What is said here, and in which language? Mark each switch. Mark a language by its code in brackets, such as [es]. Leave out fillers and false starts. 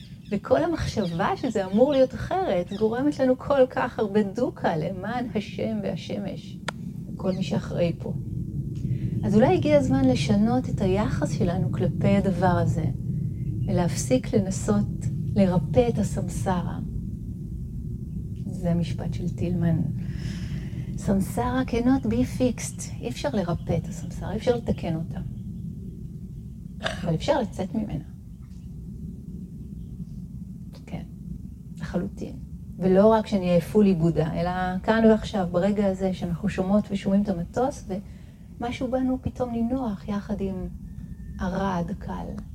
[he] וכל המחשבה שזה אמור להיות אחרת גורמת לנו כל כך הרבה דוקה למען השם והשמש, כל מי שאחראי פה. אז אולי הגיע הזמן לשנות את היחס שלנו כלפי הדבר הזה, ולהפסיק לנסות לרפא את הסמסרה. זה המשפט של טילמן. [en] סמסרה cannot be fixed. [he] אי אפשר לרפא את הסמסרה, אי אפשר לתקן אותה. אבל אפשר לצאת ממנה. כן, לחלוטין. ולא רק שאני אהיה פולי בודה, אלא כאן ועכשיו, ברגע הזה שאנחנו שומעות ושומעים את המטוס, ומשהו בנו פתאום נינוח יחד עם הרעד הקל.